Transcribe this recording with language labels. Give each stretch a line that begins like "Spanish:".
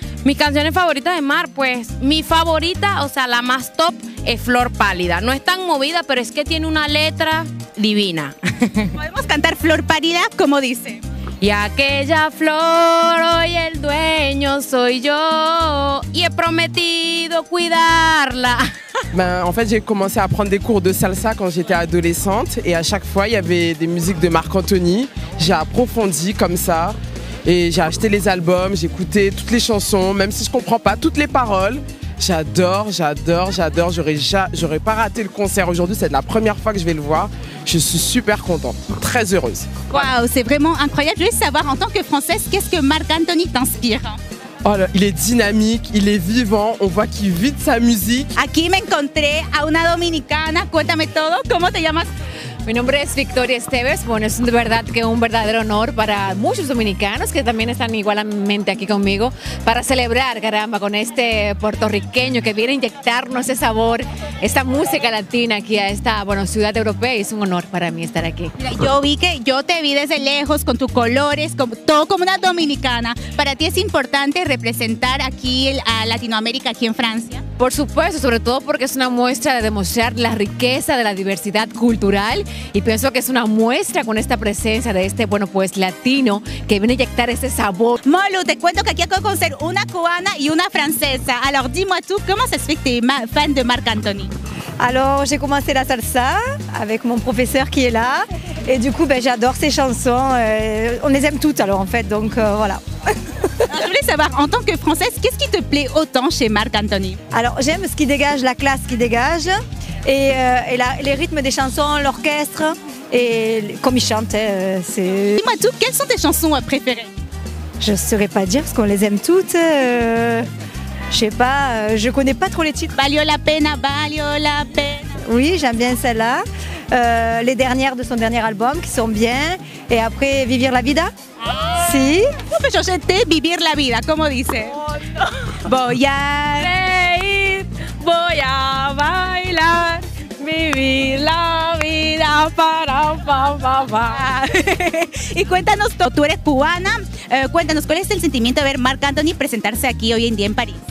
Spanish: Mis canciones favoritas de Marc, pues mi favorita, o sea, la más top, es Flor Pálida. No es tan movida, pero es que tiene una letra divina. ¿Podemos cantar Flor Pálida? ¿Cómo dice? Y aquella flor, hoy el dueño soy yo, y he prometido cuidarla.
French: Ben, en fait, j'ai commencé à prendre des cours de salsa quand j'étais adolescente, et à chaque fois, il y avait des musiques de Marc Anthony. J'ai approfondi comme ça. Et j'ai acheté les albums, j'ai écouté toutes les chansons, même si je comprends pas toutes les paroles. J'adore, j'adore, j'adore. J'aurais pas raté le concert aujourd'hui, c'est la première fois que je vais le voir. Je suis super contente, très heureuse. Waouh, c'est vraiment incroyable. Je voulais savoir, en tant que Française, qu'est-ce que Marc Anthony t'inspire? Oh là, il est dynamique, il est vivant, on voit qu'il vit de sa musique.
Spanish: Aquí me encontré a una dominicana, cuéntame todo, ¿cómo te llamas? Mi nombre es Victoria Esteves. Bueno, es de verdad que un verdadero honor para muchos dominicanos que también están igualmente aquí conmigo para celebrar, caramba, con este puertorriqueño que viene a inyectarnos ese sabor, esta música latina aquí a esta, bueno, ciudad europea. Es un honor para mí estar aquí. Mira, yo vi que yo te vi desde lejos con tus colores, con todo como una dominicana. ¿Para ti es importante representar aquí a Latinoamérica, aquí en Francia? Por supuesto, sobre todo porque es una muestra de demostrar la riqueza de la diversidad cultural, y pienso que es una muestra con esta presencia de este, bueno, pues latino que viene a inyectar ese sabor. Molu, te cuento que aquí acabo de conocer una cubana y una francesa.
French: Alors, dis-moi
Spanish: tú, ¿cómo se explique que eres fan de Marc Anthony?
French: Alors, j'ai commencé la salsa avec mon professeur qui est là, et du coup, ben, j'adore ses chansons. On les aime toutes, alors en fait, donc voilà. Alors, je voulais savoir, en tant que Française, qu'est-ce qui te plaît autant chez Marc Anthony? Alors, j'aime ce qui dégage, la classe qui dégage, et les rythmes des chansons, l'orchestre, et comme il chante, c'est... Dis-moi tout, quelles sont tes chansons préférées? Je ne saurais pas dire, parce qu'on les aime toutes. Je ne sais pas, je ne connais pas trop les titres.
Spanish: Valió la pena, valió la pena.
French: Oui, j'aime bien celle-là. Les dernières de son dernier album, qui sont bien. Et après, Vivir la vida.
Spanish: Sí. No, pero yo senté vivir la vida, como dice. Voy a reír, voy a bailar, vivir la vida para papá. Y cuéntanos, tú eres cubana, cuéntanos, ¿cuál es el sentimiento de ver Marc Anthony presentarse aquí hoy en día en París?